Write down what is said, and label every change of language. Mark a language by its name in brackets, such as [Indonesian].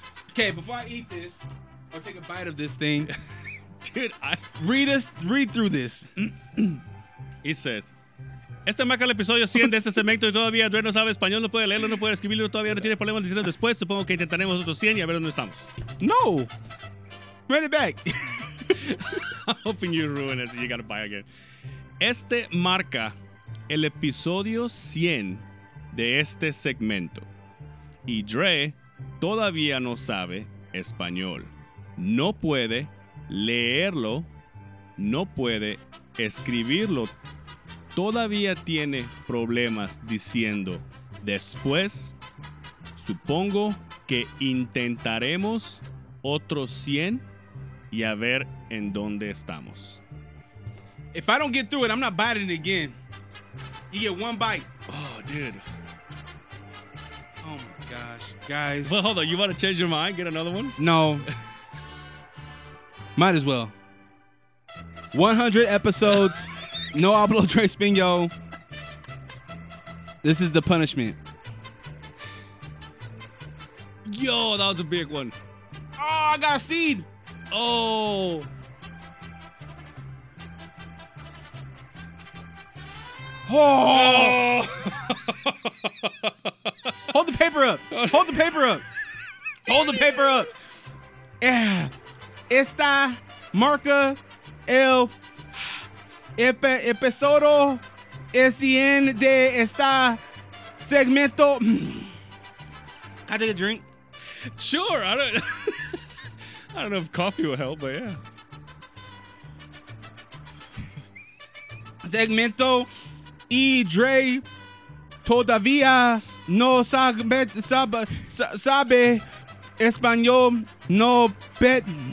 [English] Okay, before I eat this or take a bite of this thing, dude, I read through this. It says, [Spanish] este marca el episodio 100 de este segmento y todavía Dre no sabe español, no puede leerlo, no puede escribirlo, todavía no tiene problemas diciendo después. Supongo que intentaremos otros 100 y a ver dónde estamos. [English] No. Read it back. I'm hoping you ruin it so you gotta buy again. [Spanish] Este marca el episodio 100 de este segmento y Dre todavía no sabe español. No puede leerlo, no puede escribirlo. Todavía tiene problemas diciendo después. Supongo que intentaremos otros 100 y a ver en dónde estamos. [English] If I don't get through it, I'm not biting it again. You get one bite. Oh, dude. Oh, my gosh. Guys. Well, hold on. You want to change your mind? Get another one? No. Might as well. 100 episodes. [Spanish] No hablo Drespañol. [English] This is the punishment. Yo, that was a big one. Oh, I got a seed. Oh. Oh. Oh. Hold the paper up. Hold the paper up. Hold the paper up. Yeah. [Spanish] Esta marca el episodio es el de esta segmento. [English] Can I take a drink? Sure. I don't know if coffee will help, but yeah. [Spanish] Segmento y Dre todavía no sabe español. [English] No bet.